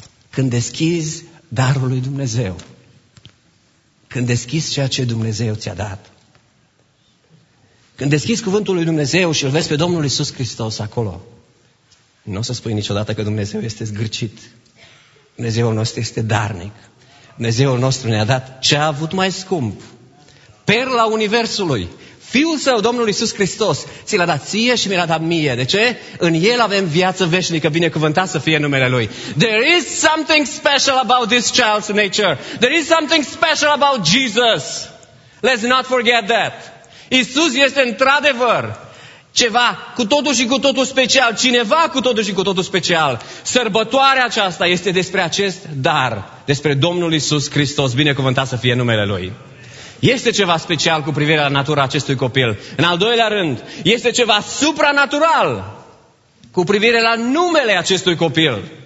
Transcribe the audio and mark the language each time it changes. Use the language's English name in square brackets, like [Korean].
[Romanian] Când deschizi darul lui Dumnezeu, când deschizi ceea ce Dumnezeu ți-a dat, când deschizi cuvântul lui Dumnezeu și îl vezi pe Domnul Iisus Hristos acolo, nu o să spui niciodată că Dumnezeu este zgârcit. Dumnezeul nostru este darnic. Dumnezeul nostru ne-a dat ce a avut mai scump. Perla Universului, Fiul Său, Domnul Iisus Hristos, ți l-a dat ție și mi l-a dat mie. De ce? În El avem viață veșnică, binecuvântat să fie numele Lui. [English] There is something special about this child's nature. There is something special about Jesus. Let's not forget that. [Romanian] Iisus este într-adevăr ceva cu totul și cu totul special, cineva cu totul și cu totul special. Sărbătoarea aceasta este despre acest dar, despre Domnul Iisus Hristos, binecuvântat să fie numele Lui. Este ceva special cu privire la natura acestui copil. În al doilea rând, este ceva supranatural cu privire la numele acestui copil.